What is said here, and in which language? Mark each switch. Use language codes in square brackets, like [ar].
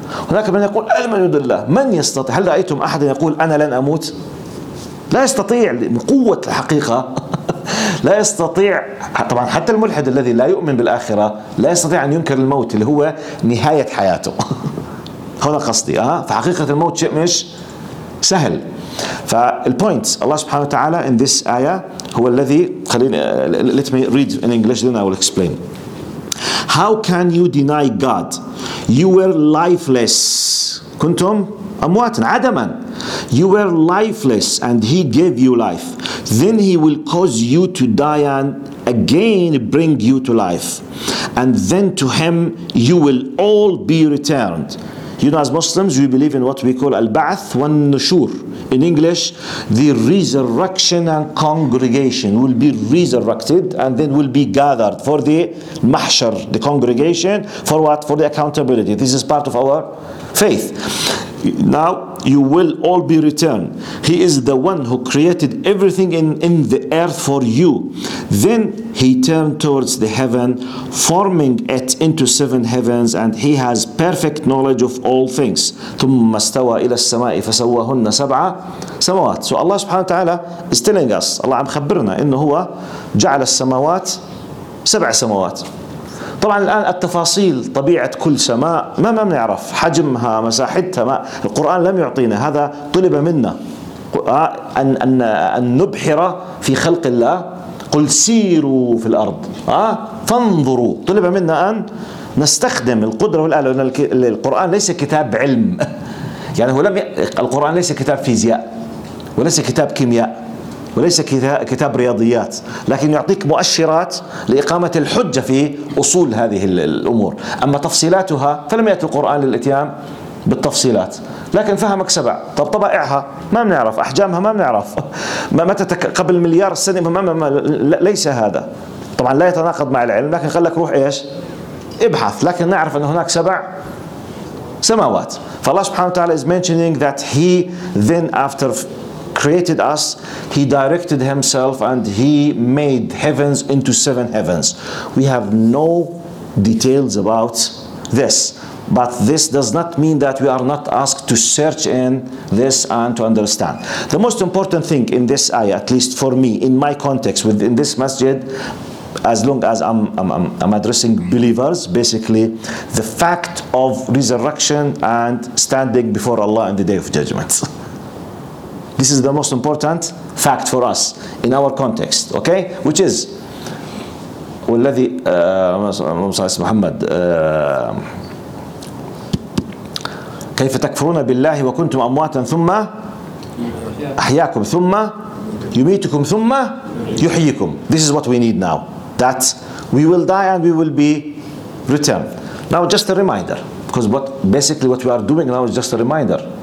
[ar] هناك من يقول أنا من وجود الله, من يستطيع؟ هل رأيتم أحد يقول أنا لن أموت؟ لا يستطيع قوة الحقيقة لا يستطيع. طبعا حتى الملحد الذي لا يؤمن بالآخرة لا يستطيع أن ينكر الموت اللي هو نهاية حياته هنا قصدي فحقيقة الموت شيء مش سهل. فالبوينت الله سبحانه وتعالى [en] in this ayah [ar] هو الذي, خليني [en] let me read in English then I will explain. How can you deny God? You were lifeless. [ar] كنتم أمواتا, عدما. [en] You were lifeless and he gave you life. Then he will cause you to die and again bring you to life. And then to him you will all be returned. You know, as Muslims, we believe in what we call al-ba'ath wa-nushur. In English, the resurrection and congregation will be resurrected and then will be gathered for the mahshar, the congregation. For what? For the accountability. This is part of our faith. Now, you will all be returned. He is the one who created everything in the earth for you. Then he turned towards the heaven, forming it into seven heavens, and he has perfect knowledge of all things. [ar] ثم استوى إلى السماء فسواهن سبع سماوات. [en] So Allah subhanahu wa ta'ala is telling us, Allah [ar] عم خبرنا إنه هو جعل السماوات سبع سماوات. طبعا الآن التفاصيل, طبيعة كل سماء ما بنعرف حجمها, مساحتها, ما القرآن لم يعطينا, هذا طلب منا أن نبحر في خلق الله. قل سيروا في الأرض فانظروا, طلب منا أن نستخدم القدرة والآلة, لأن القرآن ليس كتاب علم يعني هو لم القرآن ليس كتاب فيزياء وليس كتاب كيمياء وليس كتاب رياضيات, لكن يعطيك مؤشرات لإقامة الحجة في أصول هذه الأمور. أما تفصيلاتها فلم يأتي القرآن للإتيان بالتفصيلات, لكن فهمك سبع. طب طبائعها ما بنعرف, أحجامها ما بنعرف, متى قبل مليار سنة, ما ليس هذا طبعا لا يتناقض مع العلم, لكن خلك روح إيش ابحث. لكن نعرف أن هناك سبع سماوات. فالله سبحانه وتعالى [en] is mentioning that he then after created us, he directed himself and he made heavens into seven heavens. We have no details about this, but this does not mean that we are not asked to search in this and to understand. The most important thing in this ayah, at least for me, in my context within this masjid, as long as I'm addressing believers, basically the fact of resurrection and standing before Allah in the day of judgment. This is the most important fact for us in our context, okay? Which is [ar] والذي محمد كيف تكفرون بالله وكنتم أمواتا ثم أحياكم ثم يميتكم ثم يحييكم. [en] This is what we need now, that we will die and we will be returned. Now just a reminder, because what basically what we are doing now is just a reminder.